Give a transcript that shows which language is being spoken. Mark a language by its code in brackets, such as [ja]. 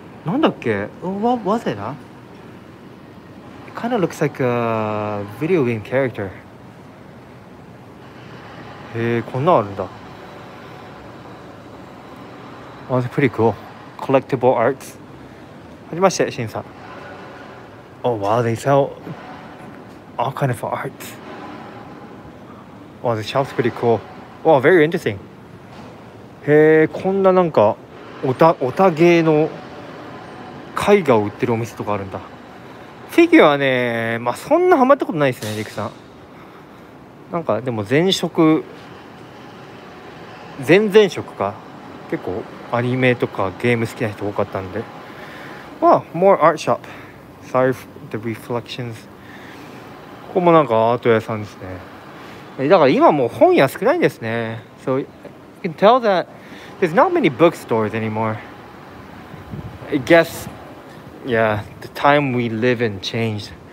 [ja] なんだっけ？ [en] What was it, huh? It kind of looks like a video game character. [ja] へー、こんなあるんだ。 [en] Oh, that's pretty cool. Collectible arts. [ja] はじめまして、シンさん。 [en] Oh, wow, they sell all kind of arts. Wow, the shop's pretty cool. Wow, very interesting. [ja] へー、こんななんかオタゲーの絵画を売ってるお店とかあるんだ。フィギュアはね、まあそんなハマったことないですね、リクさん。なんかでも前職か。結構アニメとかゲーム好きな人多かったんで。 [en] Wow, more art shop. Sorry for the reflections. [ja] ここもなんかアート屋さんですね。だから今もう本屋少ないんですね。 [en] So you can tell that there's not many bookstores anymore. I guess, yeah, the time we live in changed.